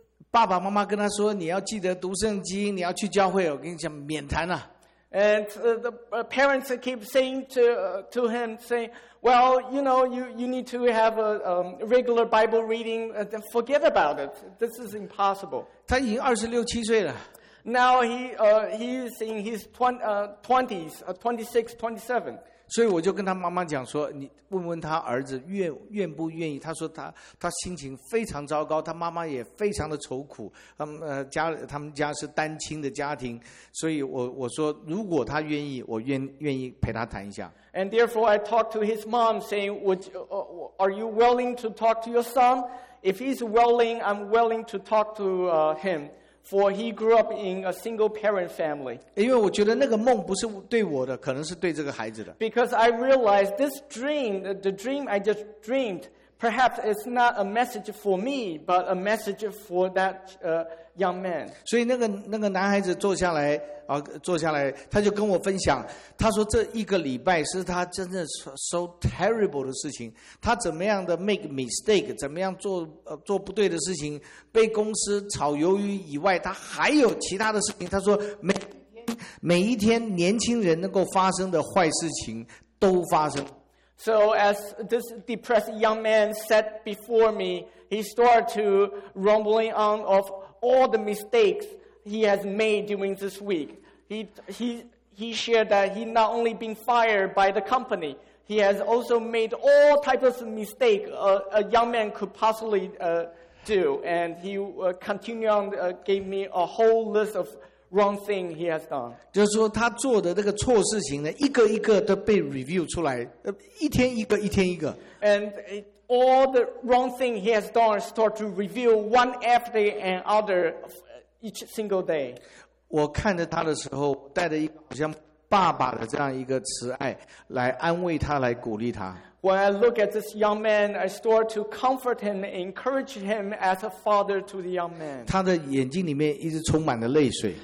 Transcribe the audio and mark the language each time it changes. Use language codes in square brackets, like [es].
[zh] 爸爸妈妈跟他说：“你要记得读圣经，你要去教会。” 我跟你讲，免谈了。 [en] And the parents keep saying to him, saying, "Well, you know, you need to have a regular Bible reading. Then forget about it. This is impossible." [zh] 他已经二十六七岁了。 [en] Now he is in his twenties, 26, 27. [zh] 所以我就跟他妈妈讲说，你问问他儿子 愿不愿意，他说 他心情非常糟糕，他妈妈也非常的愁苦，他们家是单亲的家庭，所以 我说如果他愿意，我 愿意陪他谈一下。 [en] And therefore I talked to his mom saying, are you willing to talk to your son? If he's willing, I'm willing to talk to him. For he grew up in a single parent family. [zh] 因为我觉得那个梦不是对我的，可能是对这个孩子的。 [en] Because I realized this dream, the dream I just dreamed, perhaps it's not a message for me, but a message for that young man. [zh] 所以那个男孩子坐下来，他就跟我分享，他说这一个礼拜是他真的 [en] so terrible [zh] 的事情，他怎么样的 [en] make mistake, [zh] 怎么样 做不对的事情，被公司炒鱿鱼以外，他还有其他的事情，他说每一天年轻人能够发生的坏事情都发生。 [en] So as this depressed young man sat before me, he started to rumbling on of all the mistakesHe has made during this week. He shared that he not only been fired by the company, he has also made all types of mistakes a young man could possibly do. And he continued on, gave me a whole list of wrong things he has done. [zh] 就是说他做的那个错事情呢，一个一个都被 review 出来，一天一个，一天一个。 [en] And all the wrong things he has done start to review one after another. Each single day. [zh] 我看着他的时候带着一个好像爸爸的这样一个慈爱来安慰他，来鼓励他。 [en] When I look at this young man, I start to comfort him, encourage him as a father to the young man. [zh] 他的眼睛里面一直充满了泪水。